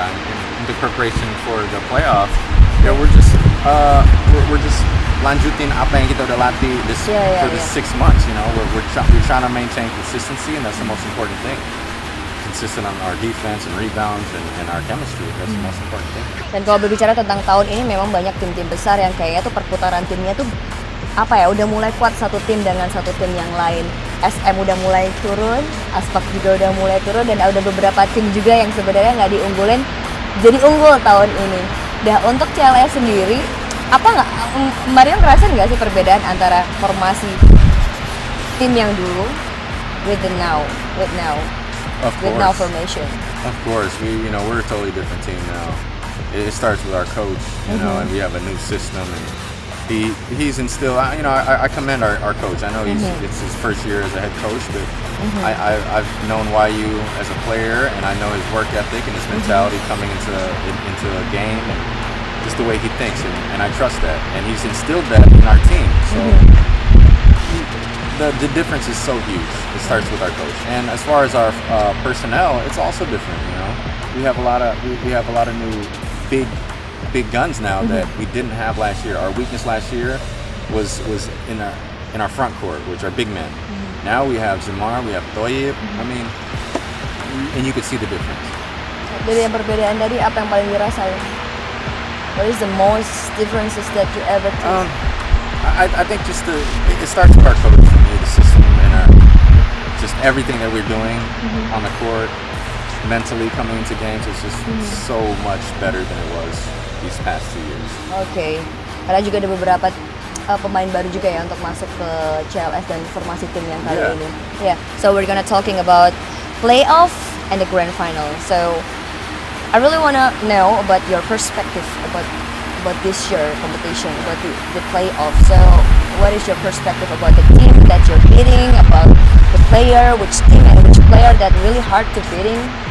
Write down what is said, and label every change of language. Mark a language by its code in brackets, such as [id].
[en] In the preparation for the playoff, yeah, we're just [id] lanjutin apa yang kita udah latih [en] this 6 months. You know, we're trying to maintain consistency, and that's the most important thing. Consistent on our defense and rebounds and our chemistry. That's the most important thing. [id] Dan kalau berbicara tentang tahun ini, memang banyak tim-tim besar yang kayaknya tuh perputaran timnya tuh apa ya, udah mulai kuat satu tim dengan satu tim yang lain. SM udah mulai turun, Aspak juga udah mulai turun, dan ada beberapa tim juga yang sebenarnya nggak diunggulin jadi unggul tahun ini. Nah, untuk CLS sendiri, apa nggak, Mario ngerasa nggak sih perbedaan antara formasi tim yang dulu [en] with now formation? Of course, we're a totally different team now. It starts with our coach, and we have a new system. And He's instilled. I commend our coach. I know it's his first year as a head coach, but I've known YU as a player, and I know his work ethic and his mentality coming into a game, and just the way he thinks, and I trust that, and he's instilled that in our team. So the difference is so huge. It starts with our coach, and as far as our personnel, it's also different. You know, we have a lot of new big guns now that we didn't have last year. Our weakness last year was in our front court, which are big men. Now we have Jamar, we have Toyib. And you could see the difference. [id] Jadi yang perbedaan dari apa yang paling dirasain? [en] What is the most differences that you ever see? I think just it starts with our coach, the system, and just everything that we're doing on the court, mentally coming into games. It's just so much better than it was these past 2 years. [id] Okay, karena juga ada beberapa pemain baru juga ya untuk masuk ke CLS dan formasi tim yang kali ini. [en] Yeah. So we're gonna talking about playoff and the grand final. So I really wanna know about your perspective about this year competition, about the playoff. So what is your perspective about the team that you're beating, about the player, which team and which player that really hard to beating?